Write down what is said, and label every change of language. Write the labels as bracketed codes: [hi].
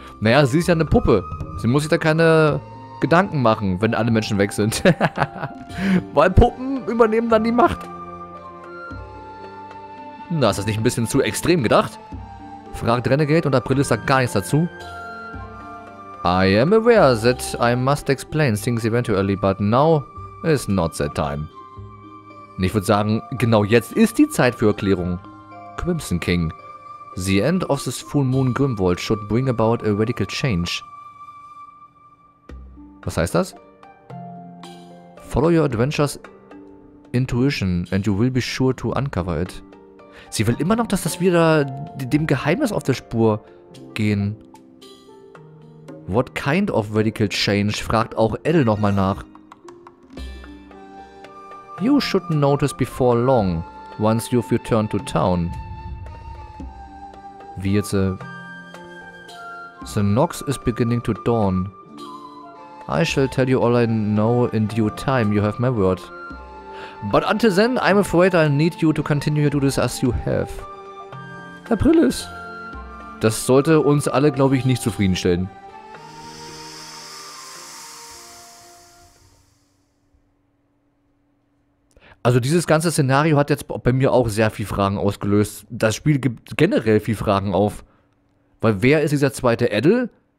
[de] Naja, sie ist ja eine Puppe. Sie muss sich da keine Gedanken machen, wenn alle Menschen weg sind. Weil Puppen übernehmen dann die Macht. Na, ist das nicht ein bisschen zu extrem gedacht? Fragt Renegade und April sagt gar nichts dazu. [en] I am aware that I must explain things eventually, but now is not that time. [de] Und ich würde sagen, genau jetzt ist die Zeit für Erklärung. [en] Crimson King. The end of this full moon Grimwald should bring about a radical change. [de] Was heißt das? [en] Follow your adventures intuition and you will be sure to uncover it. [de] Sie will immer noch, dass das wieder dem Geheimnis auf der Spur gehen. [en] What kind of radical change? [de] Fragt auch Elle nochmal nach. [en] You should notice before long, once you've returned to town. [de] Wie jetzt, [en] the Nox is beginning to dawn. I shall tell you all I know in due time, you have my word. But until then, I'm afraid I need you to continue to do this as you have. Aprilis. [de] Das sollte uns alle, glaube ich, nicht zufriedenstellen. Also dieses ganze Szenario hat jetzt bei mir auch sehr viel Fragen ausgelöst. Das Spiel gibt generell viel Fragen auf. Weil wer ist dieser zweite Edel?